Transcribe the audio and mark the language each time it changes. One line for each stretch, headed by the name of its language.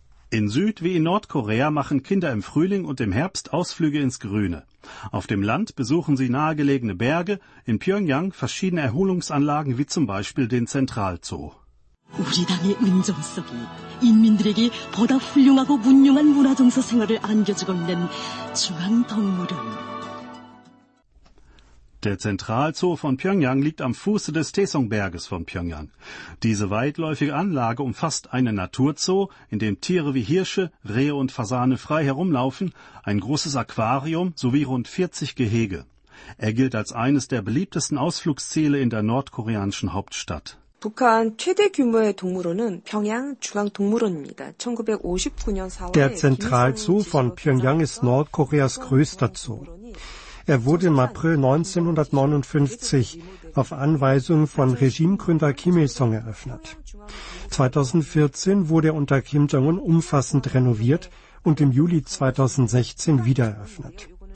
German: In Süd- wie in Nordkorea machen Kinder im Frühling und im Herbst Ausflüge ins Grüne. Auf dem Land besuchen sie nahegelegene Berge, in Pjöngjang verschiedene Erholungsanlagen wie zum Beispiel den Zentralzoo.
Korean: 우리 당의 은정석이 인민들에게 보다 훌륭하고 문명한 문화정서 생활을 안겨주고 있는 중앙동물원.
German: Der Zentralzoo von Pjöngjang liegt am Fuße des Taesong-Berges von Pjöngjang. Diese weitläufige Anlage umfasst einen Naturzoo, in dem Tiere wie Hirsche, Rehe und Fasane frei herumlaufen, ein großes Aquarium sowie rund 40 Gehege. Er gilt als eines der beliebtesten Ausflugsziele in der nordkoreanischen Hauptstadt.
Korean: 북한 최대 규모의 동물원은 평양 중앙동물원입니다. 1959년 4월에
German: Der Zentralzoo von Pjöngjang ist Nordkoreas größter Zoo. Er wurde im April 1959 auf Anweisung von Regimegründer Kim Il-sung eröffnet. 2014 wurde er unter Kim Jong-un umfassend renoviert und im Juli 2016 wiedereröffnet.